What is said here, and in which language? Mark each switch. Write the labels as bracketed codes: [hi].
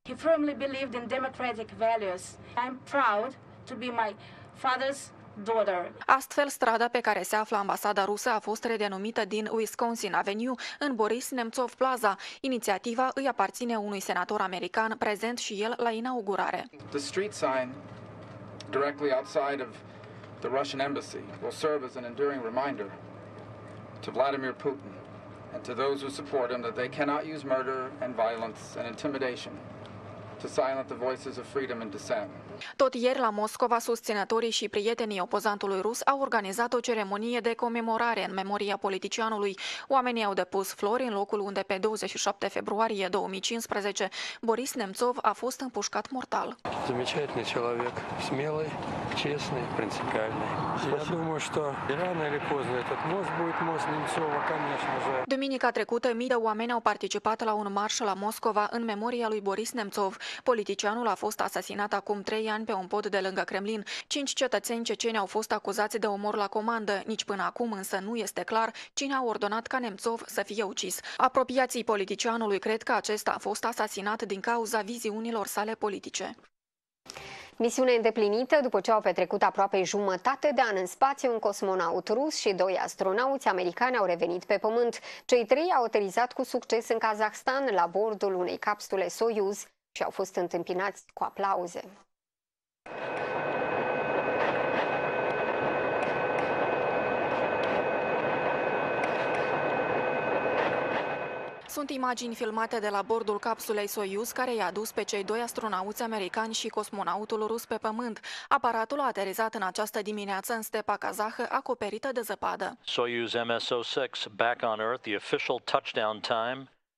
[en] He firmly believed in democratic values. I'm proud to be my father's daughter. [ro] Astfel, strada pe care se află ambasada rusă a fost redenumită din Wisconsin Avenue în Boris Nemțov Plaza. Inițiativa îi aparține unui senator american prezent și el la inaugurare. [en] The street sign directly outside of the Russian embassy will serve as an enduring reminder to Vladimir Putin and to those who support him that they cannot use murder and violence and intimidation to silence the voices of freedom and dissent. [ro] Tot ieri la Moscova, susținătorii și prietenii opozantului rus au organizat o ceremonie de comemorare în memoria politicianului. Oamenii au depus flori în locul unde pe 27 februarie 2015 Boris Nemțov a fost împușcat mortal. [ru] Замечательный человек, смелый, честный, принципиальный. Я думаю, что рано или поздно этот мост будет мост Немцова, конечно же. [ro] Duminica trecută, mii de oameni au participat la un marș la Moscova în memoria lui Boris Nemțov. Politicianul a fost asasinat acum 3 ani pe un pod de lângă Kremlin. 5 cetățeni ceceni au fost acuzați de omor la comandă. Nici până acum însă nu este clar cine a ordonat ca Nemțov să fie ucis. Apropiații politicianului cred că acesta a fost asasinat din cauza viziunilor sale politice. Misiune îndeplinită după ce au petrecut aproape jumătate de an în spațiu, un cosmonaut rus și 2 astronauți americani au revenit pe Pământ. Cei 3 au aterizat cu succes în Kazahstan la bordul unei capsule Soyuz și au fost întâmpinați cu aplauze. Sunt imagini filmate de la bordul capsulei Soyuz care i-a dus pe cei 2 astronauți americani și cosmonautul rus pe Pământ. Aparatul a aterizat în această dimineață în stepa kazahă acoperită de zăpadă. [en] Soyuz MS-06 back on Earth, the official touchdown time.